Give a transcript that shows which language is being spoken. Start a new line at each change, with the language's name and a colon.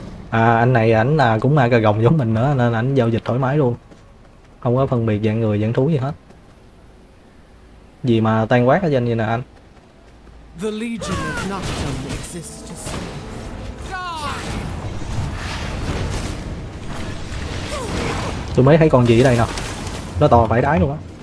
Vietnamese: À anh này ảnh là cũng ma cà rồng giống mình nữa nên ảnh giao dịch thoải mái luôn. Không có phân biệt dạng người dạng thú gì hết. Gì mà tan quát ở trên vậy nè anh.
English: The Legion of Nocturne exists to save.
Vietnamese: Tôi mới thấy con gì ở đây nè. Nó to vãi đái luôn á.